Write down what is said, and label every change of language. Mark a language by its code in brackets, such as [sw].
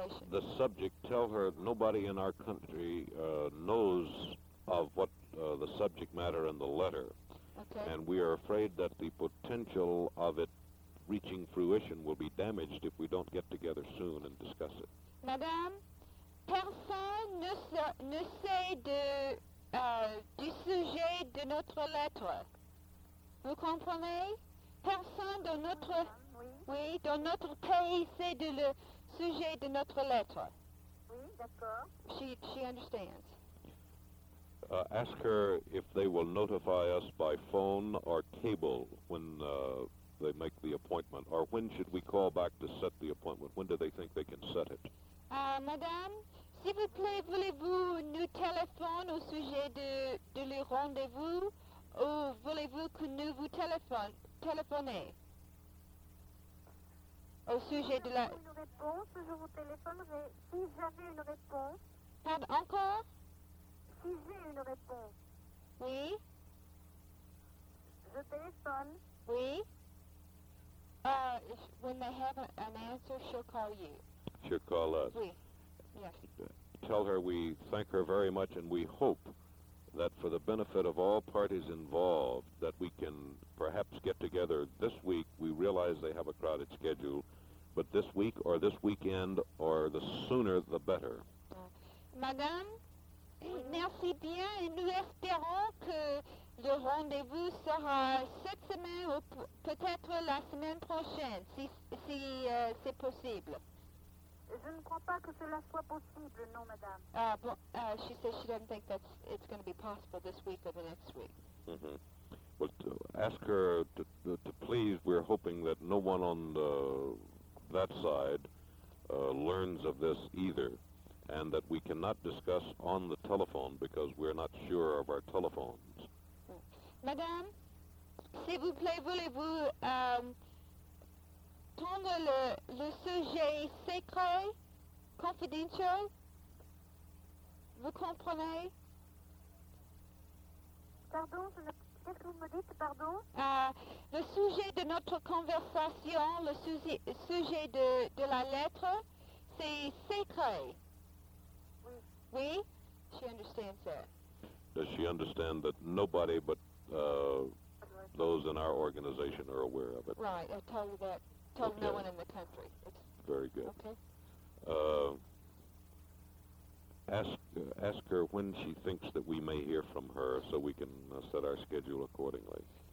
[en] The subject, tell her nobody in our country knows of what the subject matter in the letter. Okay. And we are afraid that the potential of it reaching fruition will be damaged if we don't get together soon and discuss it. [fr] Madame, personne ne sait du sujet de notre lettre. Vous comprenez? Personne dans notre... Oui, dans notre pays sait du sujet de notre lettre. Oui, d'accord. [en] She understands. Ask her if they will notify us by phone or cable when they make the appointment, or when should we call back to set the appointment? When do they think they can set it? [fr] Madame, s'il vous plaît, voulez-vous nous téléphoner au sujet de le rendez-vous, ou voulez-vous que nous vous téléphoner au sujet de la... Si j'avais une réponse, je vous téléphonerai. Si j'avais une réponse... Pardon, encore? Si j'ai une réponse. Oui? Je téléphone. Oui? [en] When they have an answer, she'll call you. She'll call us. [fr] Oui. Yes. [en] Tell her we thank her very much, and we hope that for the benefit of all parties involved, that we can perhaps get together this week. We realize they have a crowded schedule, but this week or this weekend, or the sooner the better. [fr] Madame, merci bien, et nous espérons que le rendez-vous sera cette semaine ou peut-être la semaine prochaine, si c'est possible. Je ne crois pas que cela soit possible, non, madame. [en] She says she doesn't think that it's going to be possible this week or the next week. Mm-hmm. Well, to ask her to please, we're hoping that no one on that side learns of this either, and that we cannot discuss on the telephone because we're not sure of our telephones. [fr] Madame, s'il vous plaît, voulez-vous... prendre le sujet secret, confidential, vous comprenez? Pardon, qu'est-ce que vous me dites, pardon? Le sujet de notre conversation, le sujet de la lettre, c'est secret. Oui. [en] Oui? She understands that. Does she understand that nobody but those in our organization are aware of it? Right, I tell you that. Told okay. No one in the country. It's very good. Okay. Ask her when she thinks that we may hear from her so we can set our schedule accordingly.